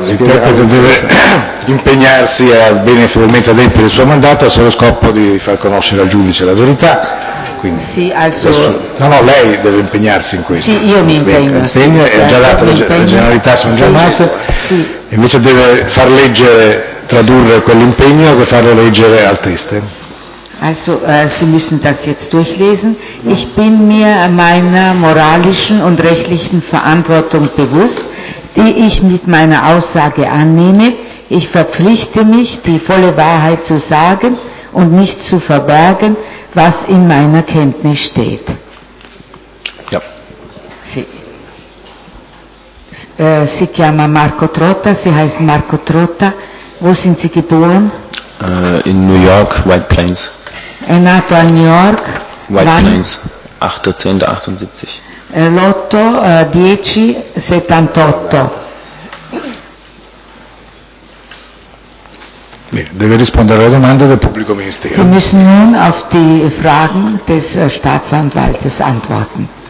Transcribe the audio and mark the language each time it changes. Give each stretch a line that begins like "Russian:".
Italian: L'interprete deve impegnarsi a bene fedelmente adempiere il suo mandato, se lo scopo di far conoscere al giudice la verità. Quindi, sì, adesso, no, lei deve impegnarsi in questo. Sì, io mi impegno. Impegna, sì, è già dato, le generalità sono già note. Sì. Invece deve far leggere, tradurre quell'impegno e farlo leggere al teste.
German: Also, Sie müssen das jetzt durchlesen. Ich bin mir meiner moralischen und rechtlichen Verantwortung bewusst, die ich mit meiner Aussage annehme. Ich verpflichte mich, die volle Wahrheit zu sagen und nicht zu verbergen, was in meiner Kenntnis steht. Ja.
Italian: Sì. Si chiama Marco Trotta,
German: si heißt Marco Trotta. Wo sind Sie geboren? In New York, White Plains.
Italian: È nato a New York.
German: White Plains, 8.10.78.
Italian: L'8, 10.78. Deve rispondere alle domande del pubblico ministero.
German: Sie müssen nun auf die Fragen des Staatsanwaltes antworten.